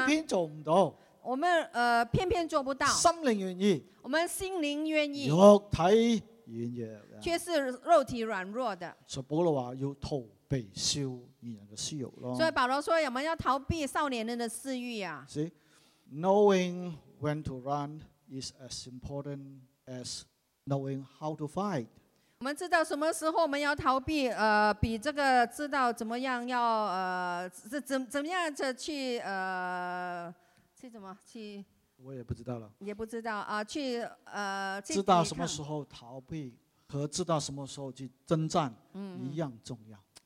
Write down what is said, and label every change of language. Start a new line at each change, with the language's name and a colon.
Chinese: 偏偏做不到。我们偏偏做不到。心灵愿意。我们心灵愿意。肉体软弱。却是肉体软弱的。所以保罗说要逃避少年人的私欲。所以保罗说我们要逃避少年人的私欲啊。
English: See? Knowing when to run is as important as knowing how to fight.
Chinese: 我们知道什么时候我们要逃避，比这个知道怎么样要怎么样的去怎么去？我也不知道了。也不知道啊，去知道什么时候逃避和知道什么时候去征战，一样重要。